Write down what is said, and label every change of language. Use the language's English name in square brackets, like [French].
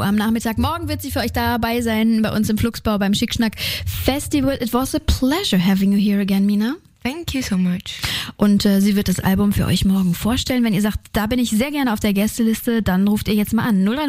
[German] Am Nachmittag, morgen wird sie für euch dabei sein bei uns im Fluxbau beim Schickschnack Festival. [English] It was a pleasure having you here again, Mina. Thank you so much. [German] Und sie wird das Album für euch morgen vorstellen. Wenn ihr sagt, da bin ich sehr gerne auf der Gästeliste, dann ruft ihr jetzt mal an.